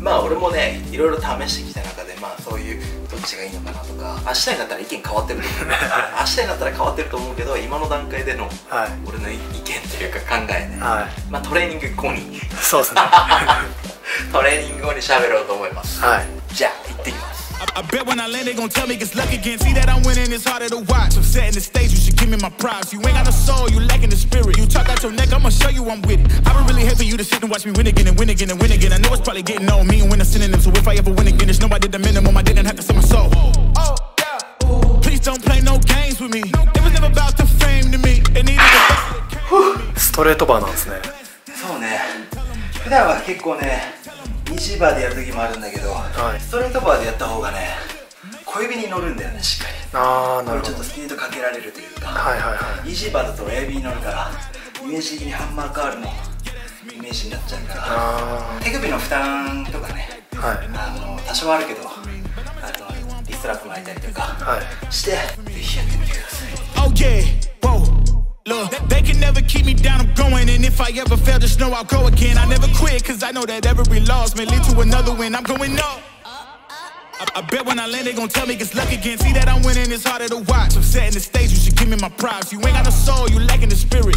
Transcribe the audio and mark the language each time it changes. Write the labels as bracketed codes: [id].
[ja] まあ俺もね、いろいろ試してきた中で、まあそういうどっちがいいのかなとか、明日になったら意見変わってると思う明日になったら変わってると思うけど、今の段階での俺の意見というか考えね、はい、まあトレーニング後に。そうですねトレーニング後に喋ろうと思います。はい、じゃあ行ってきます。 [en] I bet when I land they gon' tell me it's luck again. See that I'm winning, it's harder to watch. I'm setting the stage, you should give me my prize. You ain't got no soul, you lacking the spirit. You talk out your neck, I'ma show you I'm with it. I've been really happy you to sit and watch me win again and win again and win again. I know it's probably getting old, me and winner synonyms. So if I ever win again, it's nobody the minimum. I didn't have to sell my soul. Oh, yeah. Please don't play no games with me. It was never about the fame to me. It needed the best. [ja] ストレートバーなんですね。そうね。普段は結構ね、ミジバーでやる時もあるんだけど、はい、ストレートバーでやった方がね、小指に乗るんだよね、しっかり。あー、なるほど。ちょっとスピードかけられるというか、はいはいはい、ミジバーだと親指に乗るから、イメージ的にハンマーカールのイメージになっちゃうから。あ、手首の負担とかね、はい、あの多少あるけど、あのリストラップ巻いたりとか、はい、してぜひやってみてください。 [en] OK WOWLook, they can never keep me down, I'm going. And if I ever fail, just know I'll go again. I never quit, cause I know that every loss may lead to another win. I'm going up. I bet when I land, they gon' tell me it's luck again. See that I'm winning, it's harder to watch. I'm setting the stage, you should give me my prize. You ain't got no soul, you lacking the spirit.